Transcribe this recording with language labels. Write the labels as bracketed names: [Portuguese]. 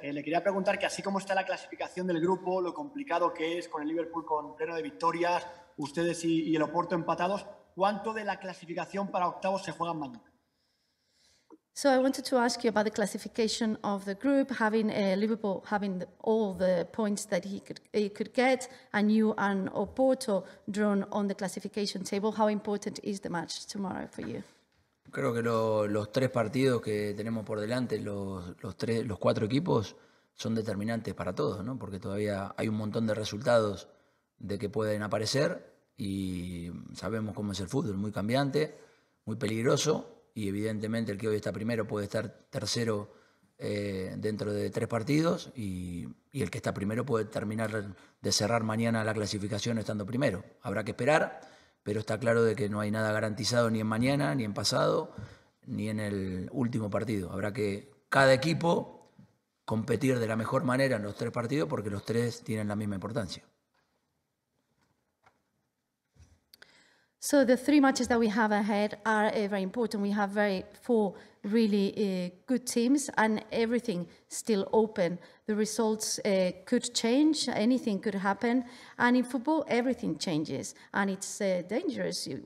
[Spanish] Le quería preguntar que, así como está la clasificación del grupo, lo complicado que es con el Liverpool con pleno de victorias, ustedes y el Oporto empatados, ¿cuánto de la clasificación para octavos se juegan mañana? [English] So I wanted to ask you about the classification of the group, having Liverpool having all the points that he could get, and you and Oporto drawn on the classification table. How important is the match tomorrow for you? [Spanish] Creo que los tres partidos que tenemos por delante, los cuatro equipos, son determinantes para todos, ¿no? Porque todavía hay un montón de resultados de que pueden aparecer, y sabemos cómo es el fútbol, muy cambiante, muy peligroso, y evidentemente el que hoy está primero puede estar tercero dentro de tres partidos y el que está primero puede terminar de cerrar mañana la clasificación estando primero. Habrá que esperar, pero está claro de que no hay nada garantizado ni en mañana, ni en pasado, ni en el último partido. Habrá que cada equipo competir de la mejor manera en los tres partidos porque los tres tienen la misma importancia. [English] So the three matches that we have ahead are very important. We have four really good teams and everything still open. The results could change, anything could happen. And in football, everything changes and it's dangerous.